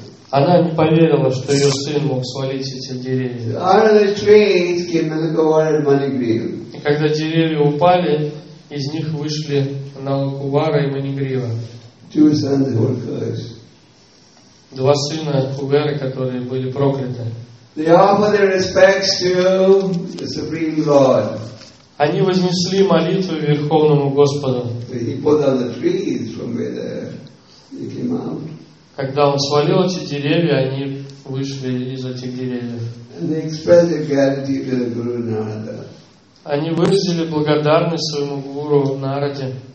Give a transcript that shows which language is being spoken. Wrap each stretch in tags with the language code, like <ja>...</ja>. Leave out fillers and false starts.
<ru>Она не поверила, что ее сын мог свалить эти деревья.</ru> <en>Out of the trees came Nalakuvar and Manigriva.</en> <ru>И когда деревья упали, из них вышли Налакувара и Манигрива.</ru> <en>Two sons were cursed.</en> <ru>Два сына Куберы, которые были прокляты.</ru> <en>They offered their respects to the Supreme Lord.</en> <ru>Они вознесли молитву Верховному Господу.</ru> <en>He pulled out the trees from where they came out.</en> <ru>Когда он свалил эти деревья, они вышли из этих деревьев.</ru> <en>And they expressed their gratitude to the Guru Narada.</en> <ru>Они выразили благодарность своему Гуру Нараде.</ru>